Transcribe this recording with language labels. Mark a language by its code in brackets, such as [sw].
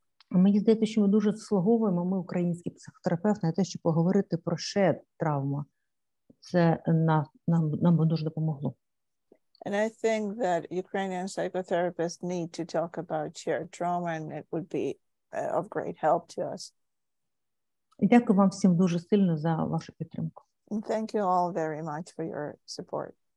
[uk] Мені здається, що ми дуже заслуговуємо, ми українські психотерапевти, на те, щоб поговорити про ще травму. Це нам би дуже допомогло. [en] And I think that Ukrainian psychotherapists need to talk about shared trauma and it would be of great help to us. [uk] Дякую вам всім дуже сильно за вашу підтримку. [en] And thank you all very much for your support.